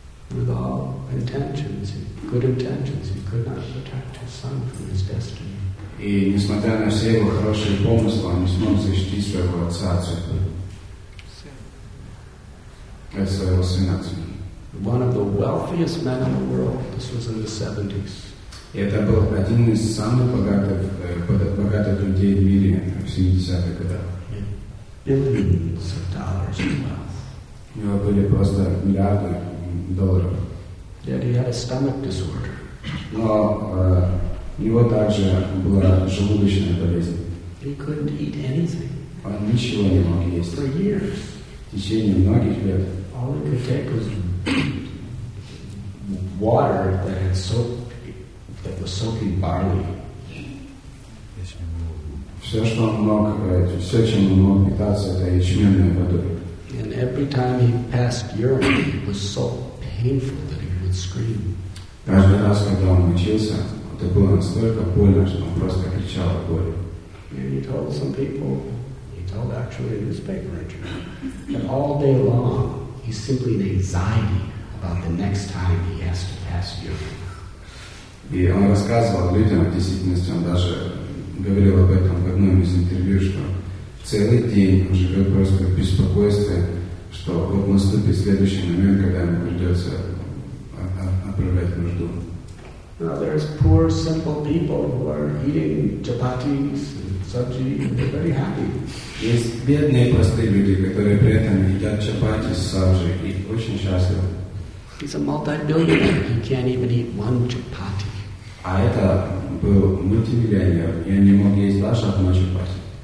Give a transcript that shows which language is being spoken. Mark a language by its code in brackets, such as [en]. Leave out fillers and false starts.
[en] With all intentions, good intentions, he could not protect his son from his destiny. [ru] И несмотря на все его хорошие помыслы, он не смог защитить своего отца от судьбы. От своего сына. [en] One of the wealthiest men in the world. This was in the 70s. [ru] И это был один из самых богатых людей в мире в 70-х годах. [en] Billions of dollars in wealth. [ru] У него были просто миллиарды долларов. [en] Yet he had a stomach disorder. [ru] Но у него также была желудочная болезнь. [en] He couldn't eat anything. [ru] Он ничего не мог есть. [en] For years. [ru] В течение многих лет. [en] All he could take was water that had soaked, that was soaking barley. [ru] Все, что он мог, все, чем он мог питаться, это ячменной водой. [en] And every time he passed urine, it was so painful that he would scream. [ru] Каждый раз, когда он мучился, это было настолько больно, что он просто кричал от боли. [en] And he told some people, he told actually a newspaper interview, that all day long he's simply in anxiety about the next time he has to pass urine. [ru] И он рассказывал людям, в действительности он даже говорил об этом в одном из интервью, что целый день он живет просто в беспокойстве, что вот наступит следующий момент, когда ему придется отправлять нужду. [en] Now there's poor, simple people who are eating chapatis and sabji, and they're very happy. [ru] Есть бедные простые люди, которые при этом едят чапати с сабжи и очень счастливы. [en] He's a multi-billionaire. He can't even eat one chapati. [ru] А это был мультимиллионер, и он не мог есть даже одну чапати.